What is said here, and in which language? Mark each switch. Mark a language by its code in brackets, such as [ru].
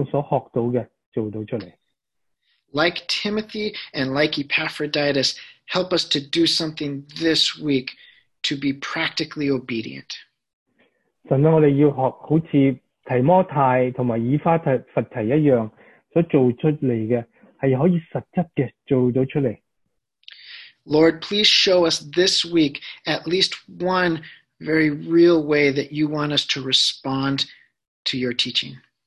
[zh] 神啊,我们希望这个星期,求你给我们发出挑战,我们将所学到的,做到出来。 [en] Like Timothy and like Epaphroditus, help us to do something this week to be practically obedient. [zh] 神啊,我们要学好像提摩太和以法佛提一样,所做出来的,是可以实质的做到出来。 [en] Lord, please show us this week at least one very real way that you want us to respond to your teaching.